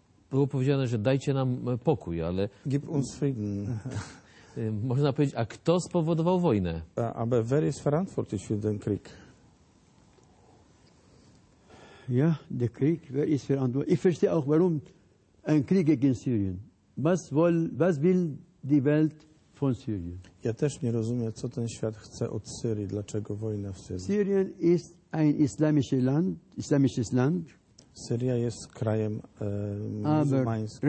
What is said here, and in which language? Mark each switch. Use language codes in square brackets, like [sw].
[pl] Było powiedziane, że dajcie nam pokój, ale... [de] Gib uns Frieden. [pl] Można powiedzieć, a kto spowodował wojnę? [de] Aber wer ist verantwortlich für den Krieg? Ja, der Krieg, wer ist verantwortlich? Ich verstehe auch, warum ein Krieg gegen Syrien. Was will die Welt von Syrien? [pl] Ja też nie rozumiem, co ten świat chce od Syrii, dlaczego wojna w Syrii. [de] Syrien ist ein islamisches Land. [pl] Syria jest krajem muzułmańskim.